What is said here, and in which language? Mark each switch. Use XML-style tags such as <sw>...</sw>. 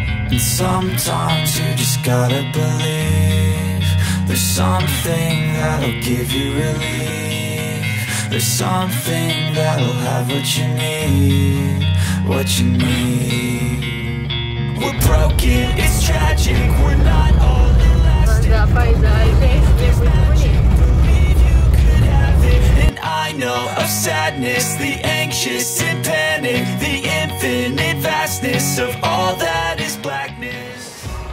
<en>And sometimes you just gotta believe. There's something that'll give you relief. There's something that'll have what you need. What you mean? We're broken, it's tragic, we're not all the last.</en> <pt>Mas a paisagem é muito bonita.</pt> <en>You could have it. And I know of sadness, the anxious and panic, the infinite vastness of all that is blackness.</en>